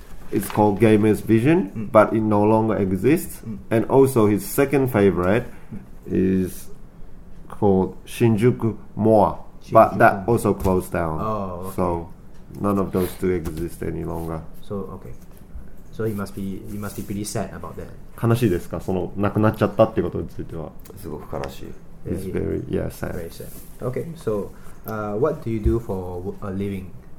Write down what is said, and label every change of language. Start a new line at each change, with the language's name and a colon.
English: It's called Gamer's Vision, but it no longer exists. And also his second favorite is called Shinjuku Moa, but that also closed down. Oh, okay. So none of those two exist any longer. So okay. So he must be pretty sad about that.
Japanese: 悲しいですか? そのなくなっちゃったってことについては? すごく悲しい。
English: It's very, yeah, sad. Very sad. Okay, so what do you do for a living?